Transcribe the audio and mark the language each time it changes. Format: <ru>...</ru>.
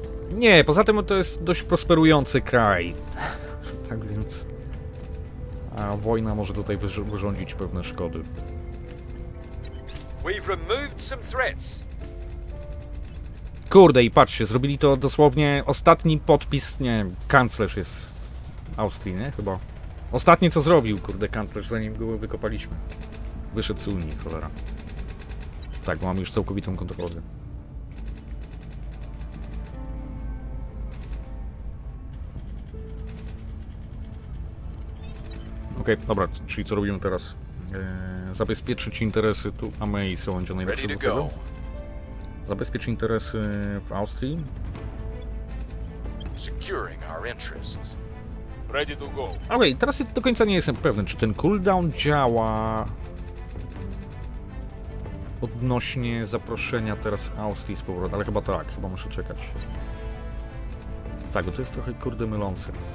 <pl>Nie, poza tym to jest dość prosperujący kraj. Tak więc... A wojna może tutaj wyrządzić pewne szkody.</pl> <en>We've removed some threats.</en> <pl>Kurde, i patrzcie, zrobili to dosłownie ostatni podpis, nie, kanclerz jest Austrii, nie? Chyba. Ostatnie, co zrobił, kurde, kanclerz, zanim go wykopaliśmy. Wyszedł z Unii, cholera. Tak, mam już całkowitą kontrolę. Okej, okay, dobra, czyli co robimy teraz? Zabezpieczyć interesy tu, a my i są będzie najlepsze do tego. Zabezpieczyć interesy w Austrii.</pl> <en>Securing our interests. Ready to go.</en> <pl>Okej, teraz do końca nie jestem pewny, czy ten cooldown działa odnośnie zaproszenia teraz Austrii z powrotem, ale chyba tak, chyba muszę czekać. Tak, bo to jest trochę kurde mylące.</pl>